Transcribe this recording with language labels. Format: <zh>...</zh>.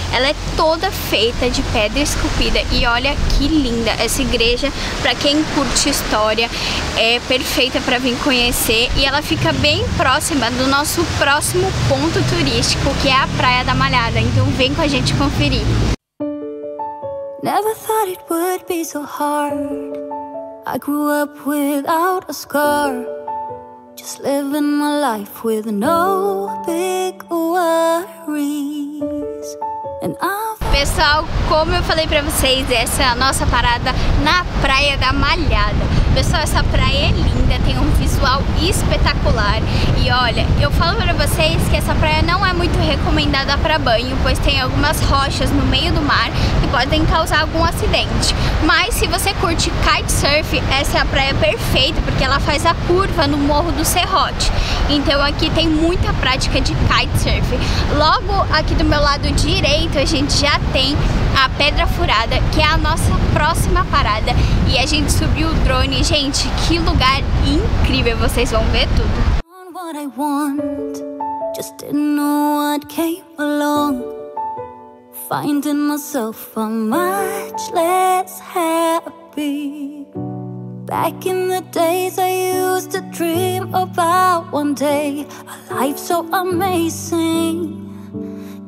<pt>Ela é toda feita de pedra esculpida e olha que linda essa igreja. Para quem curte história, é perfeita para vir conhecer. E ela fica bem próxima do nosso próximo ponto turístico, que é a Praia da Malhada. Então vem com a gente conferir.</pt> <en>Never thought it would be so hard. I grew up without a scar, just living my life with no big worries. And</en> <pt>pessoal, como eu falei pra vocês, essa é a nossa parada na Praia da Malhada. Pessoal, essa praia é linda, tem um visual espetacular. E olha, eu falo pra vocês que essa praia não é muito recomendada pra banho, pois tem algumas rochas no meio do mar que podem causar algum acidente. Mas se você curte kitesurf, essa é a praia perfeita, porque ela faz a curva no Morro do Serrote. Então aqui tem muita prática de kitesurf. Logo aqui do meu lado direito, a gente já tem a Pedra Furada, que é a nossa próxima parada. E a gente subiu o drone. Gente, que lugar incrível! Vocês vão ver tudo.</pt> <en>What I want, just didn't know what came along. Finding myself a much less happy. Back in the days I used to dream about one day, a life so amazing.</en>